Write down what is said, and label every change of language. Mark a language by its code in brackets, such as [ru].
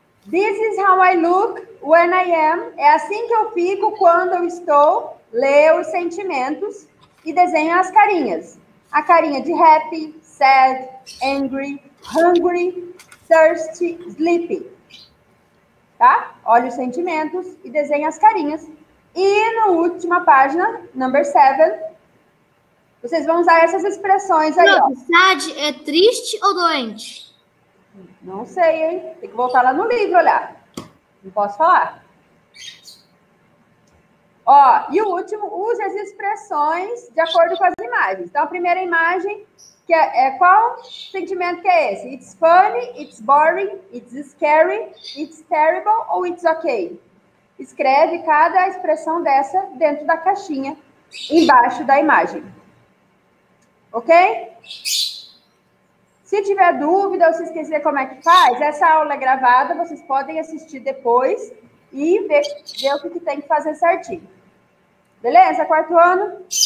[en] This is how I look when I am. [pt] É assim que eu fico quando eu estou. Lê os sentimentos e desenha as carinhas. A carinha de happy, sad, angry, hungry, thirsty, sleepy. Tá? Olha os sentimentos e desenha as carinhas. E na última página, number 7, vocês vão usar essas expressões aí. Não, sad é triste ou doente? Não sei, hein? Tem que voltar lá no livro olhar. Não posso falar. Ó, e o último, use as expressões de acordo com as imagens. Então, a primeira imagem, que é qual sentimento que é esse? [en] It's funny, it's boring, it's scary, it's terrible ou it's okay? [pt] Escreve cada expressão dessa dentro da caixinha, embaixo da imagem. Ok? Se tiver dúvida ou se esquecer como é que faz, essa aula é gravada, vocês podem assistir depois e ver o que tem que fazer certinho. Beleza? Quarto ano.